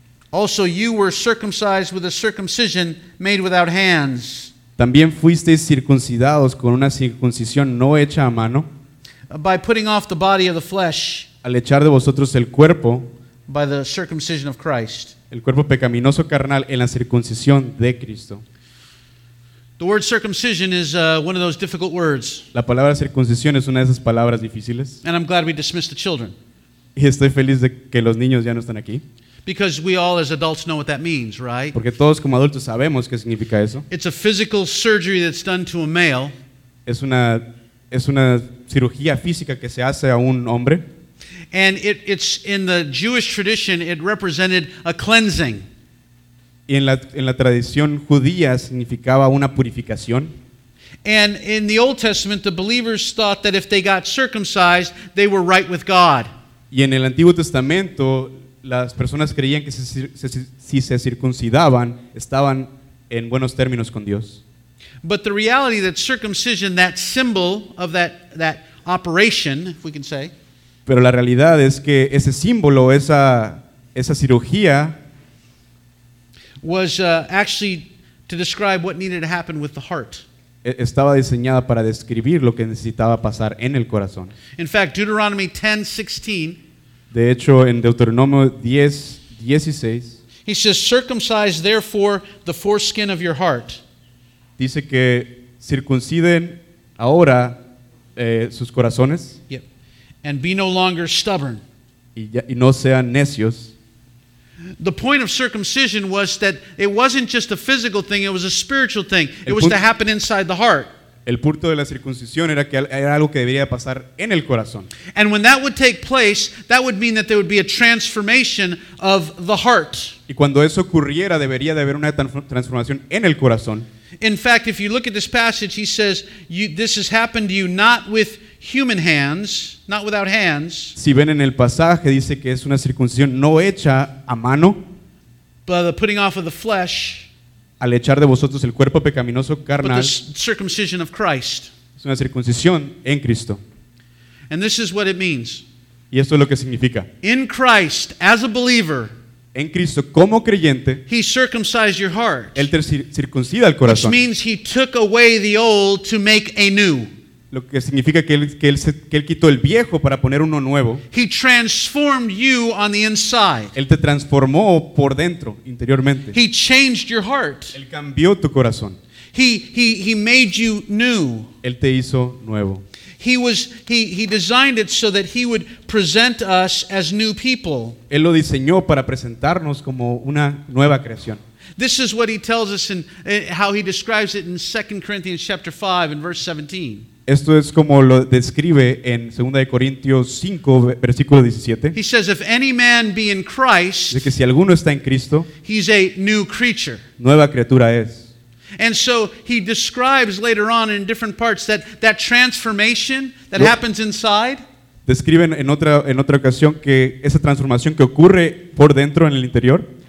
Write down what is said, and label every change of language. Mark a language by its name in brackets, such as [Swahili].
[English] Also, you were circumcised with a circumcision made without hands. [Spanish] También fuisteis circuncidados con una circuncisión no hecha a mano. [English] By putting off the body of the flesh, [Spanish] al echar de vosotros el cuerpo, [English] by the circumcision of Christ, [Spanish] el cuerpo pecaminoso carnal en la circuncisión de Cristo. [English] The word circumcision is one of those difficult words. [Spanish] La palabra circuncisión es una de esas palabras difíciles. [English] And I'm glad we dismissed the children. [Spanish] Y estoy feliz de que los niños ya no están aquí. [English] Because we all, as adults, know what that means, right? [Spanish] Porque todos como adultos sabemos qué significa eso. [English] It's a physical surgery that's done to a male. [Spanish] Es una cirugía física que se hace a un hombre. [English] And it's in the Jewish tradition, it represented a cleansing. [Spanish] Y en la tradición judía significaba una purificación. [English] And in the Old Testament, the believers thought that if they got circumcised, they were right with God. [Spanish] Y en el Antiguo Testamento, las personas creían que si se circuncidaban, estaban en buenos términos con Dios. [English] But the reality that circumcision, that symbol of that operation, if we can say. [Spanish] Pero la realidad es que ese símbolo, esa cirugía. [English] Was actually to describe what needed to happen with the heart. [Spanish] Estaba diseñada para describir lo que necesitaba pasar en el corazón. [English] In fact, Deuteronomy 10:16. [Spanish] De hecho, en Deuteronomio 10:16. [English] He says, circumcise therefore the foreskin of your heart. [Spanish] Dice que circunciden ahora sus corazones. [English] Yep. And be no longer stubborn. [Spanish] Y no sean necios. [English] The point of circumcision was that it wasn't just a physical thing, it was a spiritual thing. It was to happen inside the heart. [Spanish] El punto de la circuncisión era que era algo que debería pasar en el corazón. [English] And when that would take place, that would mean that there would be a transformation of the heart. [Spanish] Y cuando eso ocurriera, debería de haber una transformación en el corazón. [English] In fact, if you look at this passage, he says, this has happened to you not with human hands, not without hands. [Spanish] Si ven en el pasaje, dice que es una circuncisión no hecha a mano. [English] But the putting off of the flesh. [Spanish] Al echar de vosotros el cuerpo pecaminoso carnal. [English] But the circumcision of Christ. [Spanish] Es una circuncisión en Cristo. [English] And this is what it means. [Spanish] Y esto es lo que significa. [English] In Christ, as a believer. [Spanish] En Cristo, como creyente, [English] he circumcised your heart. [Spanish] Él te circuncida el corazón. [English] Which means he took away the old to make a new. [Spanish] Lo que significa que él quitó el viejo para poner uno nuevo. [English] He transformed you on the inside. [Spanish] Él te transformó por dentro, interiormente. [English] He changed your heart. [Spanish] Él cambió tu corazón. [English] He made you new. [Spanish] Él te hizo nuevo. [English] He designed it so that he would present us as new people. [Spanish] Él lo diseñó para presentarnos como una nueva creación. [English] This is what he tells us in how he describes it in 2 Corinthians chapter 5 and verse 17. [Spanish] Esto es como lo describe en 2 de Corintios 5 versículo 17. [English] He says if any man be in Christ, [Spanish] de que si alguno está en Cristo, [English] he's a new creature. [Spanish] Nueva criatura es. [English] And so he describes later on in different parts that transformation that happens inside. [Spanish] Describen en otra ocasión que esa transformación que ocurre por dentro en el interior.